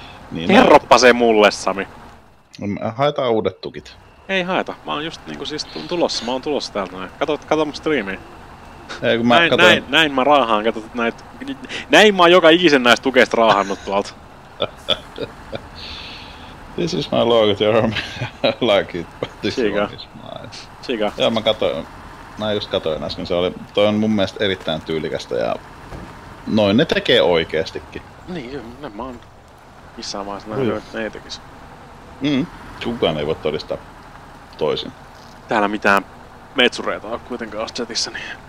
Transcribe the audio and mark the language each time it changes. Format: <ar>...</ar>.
<fi>Niin kerroppa se mulle, Sami. No, haetaan uudet tukit. Ei haeta. Mä oon just niinku siis tulossa. Mä oon tulossa täältä näin. Kato mun striimiä. Ei, kun mä näin mä raahaan, katsot näit... Näin mä oon joka ikisen näistä tukeista raahannut tuolta.</fi> <en>This is my log, Jeremy. I like it, but this Siika. One is mine.</en> <fi>Siika. Joo, mä katoin. Mä just katoin äsken. Se oli, toi on mun mielestä erittäin tyylikästä ja... Noin ne tekee oikeestikin. Niin, ne mä oon missään vaiheessa nähnyt, että ne ei tekis. Kukaan ei voi todistaa toisin. Täällä mitään metsureita on kuitenkaan Ostsetissä, niin...</fi>